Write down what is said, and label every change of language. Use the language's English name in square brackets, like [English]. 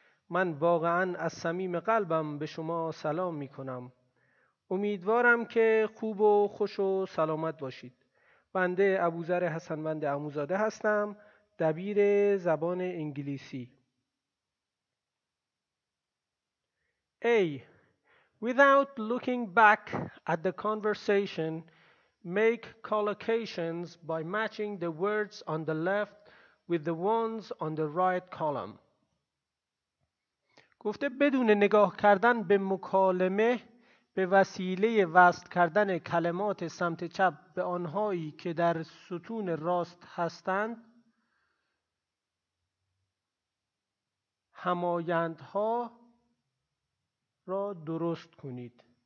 [Persian] من واقعا از صمیم قلبم به شما سلام می کنم. امیدوارم که خوب و خوش و سلامت باشید. بنده ابوذر حسنوند عموزاده هستم، دبیر زبان انگلیسی. [English] A. Without looking back at the conversation, make collocations by matching the words on the left with the ones on the right column. [Persian] گفته بدون نگاه کردن به مکالمه، به وسیله وصل کردن کلمات سمت چپ به آنهایی که در ستون راست هستند، همایندها را درست کنید.